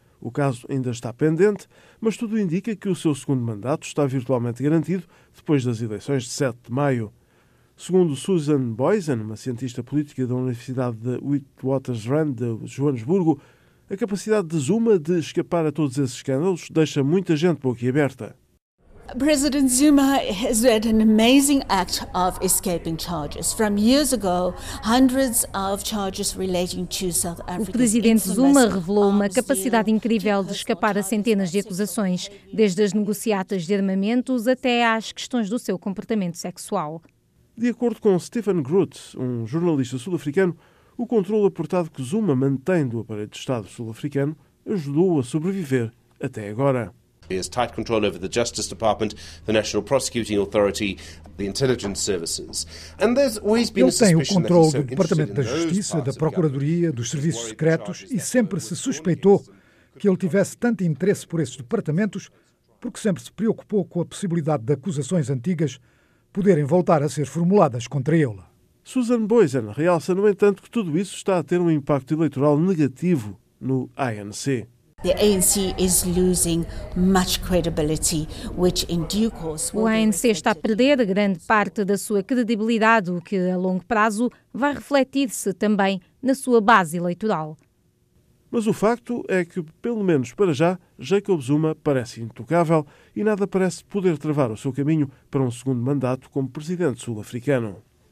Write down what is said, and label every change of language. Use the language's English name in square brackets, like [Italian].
[Portuguese] O caso ainda está pendente, mas tudo indica que o seu segundo mandato está virtualmente garantido depois das eleições de 7 de maio. Segundo Susan Boysen, uma cientista política da Universidade de Witwatersrand, de Joanesburgo, a capacidade de Zuma de escapar a todos esses escândalos deixa muita gente boquiaberta. [English] President Zuma has had an amazing act of escaping charges. From years ago, hundreds of charges relating to South Africa. [Portuguese] O presidente Zuma revelou uma capacidade incrível de escapar a centenas de acusações, desde as negociatas de armamentos até às questões do seu comportamento sexual. De acordo com Stephen Groot, um jornalista sul-africano, o controle apertado que Zuma mantém do aparelho de Estado sul-africano ajudou a sobreviver até agora. [English] He has tight control over the Justice Department, the National Prosecuting Authority, the Intelligence Services. And there's always been a suspicion. [Portuguese] Ele tem o controle do Departamento da Justiça, da Procuradoria, dos Serviços Secretos e sempre se suspeitou que ele tivesse tanto interesse por esses departamentos porque sempre se preocupou com a possibilidade de acusações antigas poderem voltar a ser formuladas contra ele. Susan Boysen realça, no entanto, que tudo isso está a ter um impacto eleitoral negativo no ANC. [English] The ANC is losing much credibility, which in due course will be reflected. [Portuguese] O ANC está a perder grande parte da sua credibilidade, o que a longo prazo vai refletir-se também na sua base eleitoral. Mas o facto é que, pelo menos para já, Jacob Zuma parece intocável e nada parece poder travar o seu caminho para um segundo mandato como presidente sul-africano.